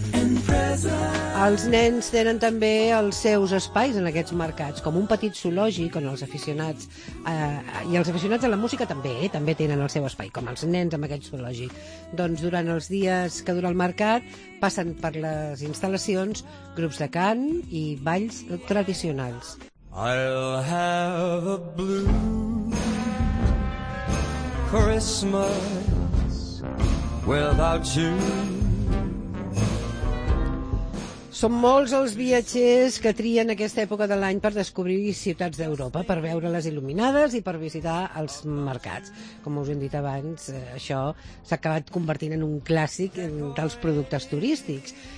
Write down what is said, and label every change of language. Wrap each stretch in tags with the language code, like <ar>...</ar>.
<ca>Els nens tenen també els seus espais en aquests mercats, com un petit zoològic on els aficionats i els aficionats a la música també tenen el seu espai, com els nens amb aquest zoològic. Doncs durant els dies que dura el mercat passen per les instal·lacions grups de cant i balls tradicionals.</ca> <en>I'll have a blue Christmas without you.</en> <ca>Són molts els viatgers que trien aquesta època de l'any per descobrir ciutats d'Europa, per veure les il·luminades i per visitar els mercats. Com us hem dit abans, això s'ha acabat convertint en un clàssic dels productes turístics.</ca>